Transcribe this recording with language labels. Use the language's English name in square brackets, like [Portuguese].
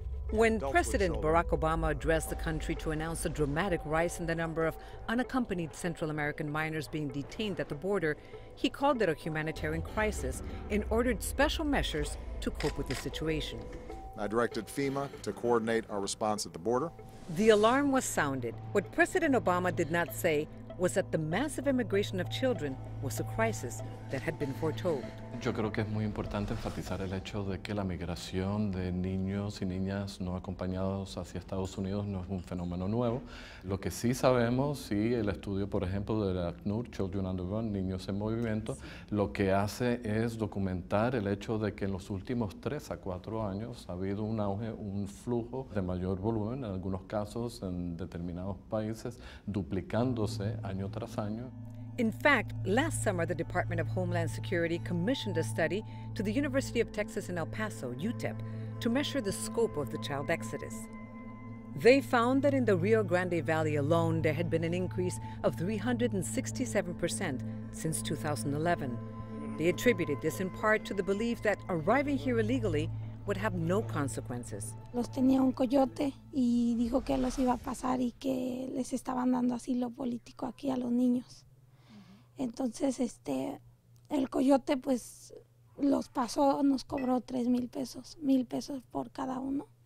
[English] When President Barack Obama addressed the country to announce a dramatic rise in the number of unaccompanied Central American minors being detained at the border, he called it a humanitarian crisis and ordered special measures to cope with the situation. I directed FEMA to coordinate our response at the border. The alarm was sounded. What President Obama did not say was that the massive immigration of children was a crisis that had been foretold. [Spanish] Yo creo que es muy importante enfatizar el hecho de que la migración de niños y niñas no acompañados hacia Estados Unidos no es un fenómeno nuevo. Lo que sí sabemos, sí, el estudio, por ejemplo, de la CNUR, Children on the Run, Niños en Movimiento, lo que hace es documentar el hecho de que en los últimos 3 a 4 años ha habido un auge, un flujo de mayor volumen, en algunos casos en determinados países, duplicándose año tras año. [English] In fact, last summer, the Department of Homeland Security commissioned a study to the University of Texas in El Paso, UTEP, to measure the scope of the child exodus. They found that in the Rio Grande Valley alone, there had been an increase of 367% since 2011. They attributed this in part to the belief that arriving here illegally would have no consequences. [Spanish] Los tenía un coyote y dijo que los iba a pasar y que les estaban dando asilo político aquí a los niños. Entonces, el coyote pues los pasó, nos cobró 3,000 pesos, 1,000 pesos por cada uno.